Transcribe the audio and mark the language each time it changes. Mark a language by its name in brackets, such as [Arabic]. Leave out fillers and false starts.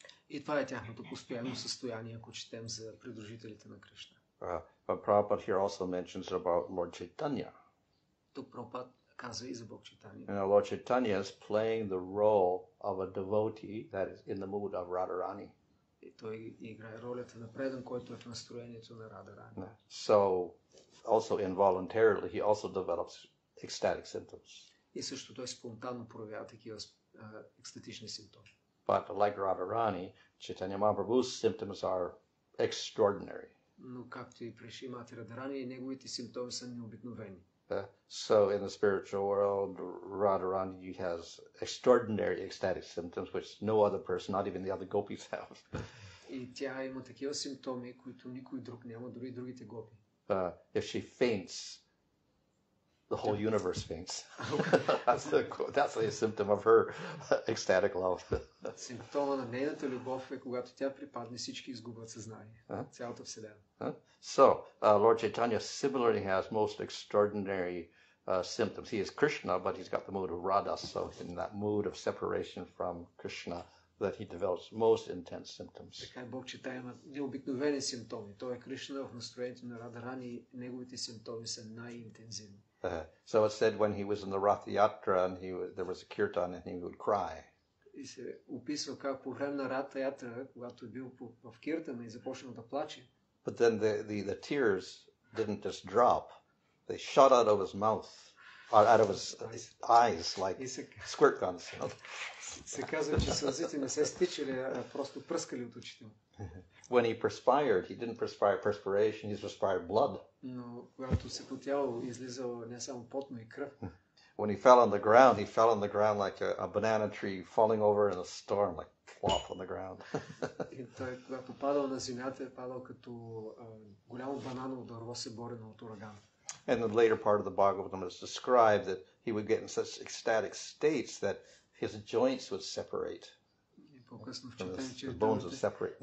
[Bulgarian] И това е тяхното постоянно състояние, ако четем за придружителите на Кришна. [English] But Prabhupada here also mentions about Lord Chaitanya. [Bulgarian] Тук Прабхупад казва и за Бог Чайтанья. [English] You know, Lord Chaitanya is playing the role of a devotee that is in the mood of Radharani. [Bulgarian] И той играе ролята на предан, който е в настроението на Радарани. [English] So, also involuntarily, he also develops ecstatic symptoms. [Bulgarian] И също той спонтанно проявява такива екстатични симптоми. [English] But like Radharani, Chaitanya Mahaprabhu's symptoms are extraordinary. [Bulgarian] Но както и при Шримати Радарани, неговите симптоми са необикновени. [English] So in the spiritual world, Radharani has extraordinary ecstatic symptoms, which no other person, not even the other gopis, have. [Bulgarian] И тя има такива симптоми, които никой друг няма, дори другите гопи. [English] If she faints, the whole universe faints. That's a symptom of her ecstatic love. [Bulgarian] Симптома на нейната любов е, когато тя припадне, всички изгубват съзнание. Цялата вселена. [English] Lord Chaitanya similarly has most extraordinary symptoms. He is Krishna, but he's got the mood of Radha. So in that mood of separation from Krishna, that he develops most intense symptoms. [Bulgarian] Така и Бог Чайтанья има необикновени симптоми. Той е Кришна в настроението на Радарани. Неговите симптоми са най-интензивни. [English] So it said when he was in the Rath Yatra and there was a kirtan and he would cry. [Bulgarian] И се описва как по време на Рат Ятра, когато е бил в киртана и започнал да плаче. [English] But then the tears didn't just drop. They shot out of his mouth. out of his eyes like squirt guns. [Bulgarian] Се казва, че сълзите не се стичали, а просто пръскали от очите му. [English] When he perspired, he didn't perspire perspiration, he perspired blood. [Bulgarian] Но когато се потявал, излизал не само пот, но и кръв. [English] When he fell on the ground, he fell on the ground like a banana tree falling over in a storm, like plop on the ground. [Bulgarian] И той, когато падал на земята, е падал като голямо бананово дърво се бори на ураган. [English] And the later part of the Bhagavatam is described that he would get in such ecstatic states that his joints would separate. [Bulgarian] По-късно в четене, че [English] the bones would separate